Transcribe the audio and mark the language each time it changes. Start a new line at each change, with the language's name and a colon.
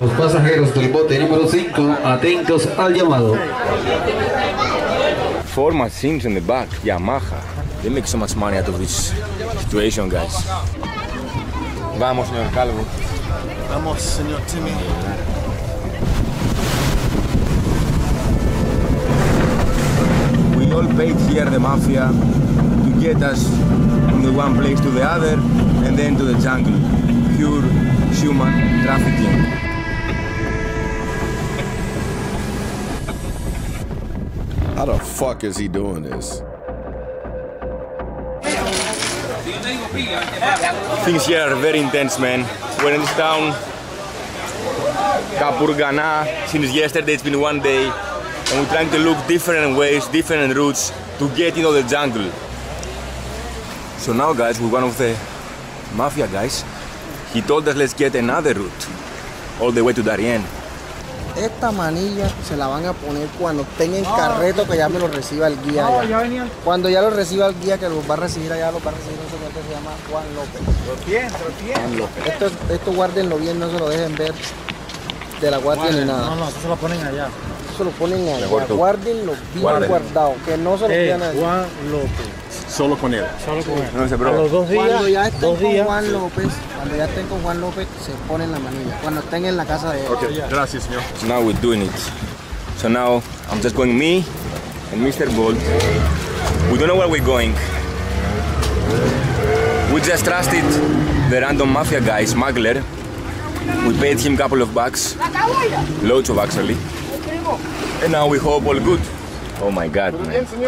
Spanish: Los pasajeros del bote número 5, atentos al llamado.
English: Four machines in the back, Yamaha. They make so much money out of this situation, guys. Vamos, señor Calvo. Vamos, señor Timmy. We all paid here the mafia to get us from the one place to the other and then to the jungle. Pure human trafficking. How the fuck is he doing this? Things here are very intense, man. We're in this town, Kapurgana, since yesterday, it's been one day, and we're trying to look different ways, different routes to get into the jungle. So now, guys, we're one of the mafia guys. He told us, let's get another route, all the way to Darien.
Spanish: Esta manilla se la van a poner cuando tenga el carreto que ya me lo reciba el guía. Ya. Cuando ya lo reciba el guía que los va a recibir allá, los va a recibir un señor que se llama Juan López. Lo tiene. Esto guárdenlo bien, no se lo dejen ver de la guardia ni nada. No, eso se lo ponen allá. Se lo ponen allá. Guárdenlo bien guardado, que no se lo pidan allá. Juan López. solo con él. Solo con él. No sé, bro. A los dos días. Cuando ya estén con días. Juan López, cuando ya estén con Juan López, se ponen la manilla. Cuando estén en la casa de él. Okay, gracias, señor.
English: So now we're doing it. So now I'm just going me and Mr. Bolt. We don't know where we're going. We just trusted the random mafia guy, smuggler. We paid him a couple of bucks. Loads of, actually. And now we hope all good. Oh my God, man.